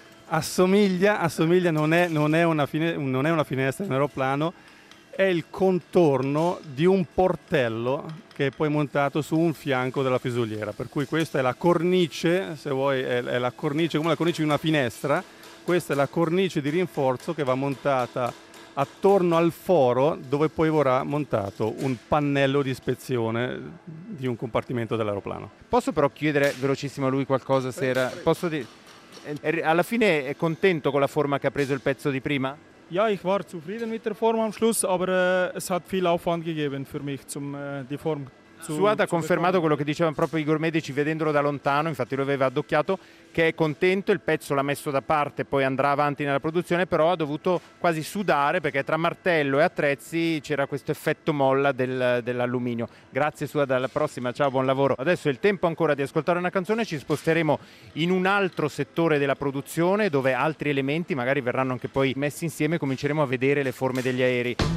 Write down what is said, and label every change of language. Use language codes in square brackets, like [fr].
[it] assomiglia, non è una finestra, è un aeroplano, è il contorno di un portello che è poi montato su un fianco della fusoliera, per cui questa è la cornice, se vuoi è la cornice, come la cornice di una finestra, questa è la cornice di rinforzo che va montata attorno al foro dove poi vorrà montato un pannello di ispezione di un compartimento dell'aeroplano. Posso però chiedere velocissimo a lui qualcosa se era... Posso dire... Alla fine è contento con la forma che ha preso il pezzo di prima? [de] Ja, ich war zufrieden mit der Form am Schluss, aber es hat viel Aufwand gegeben für mich, zum die Form zu... [it] Suad ha confermato quello che diceva proprio Igor Medici vedendolo da lontano, infatti lo aveva addocchiato, che è contento, il pezzo l'ha messo da parte, poi andrà avanti nella produzione, però ha dovuto quasi sudare perché tra martello e attrezzi c'era questo effetto molla dell'alluminio. Grazie Suad, alla prossima, ciao, buon lavoro. Adesso è il tempo ancora di ascoltare una canzone, ci sposteremo in un altro settore della produzione dove altri elementi magari verranno anche poi messi insieme e cominceremo a vedere le forme degli aerei.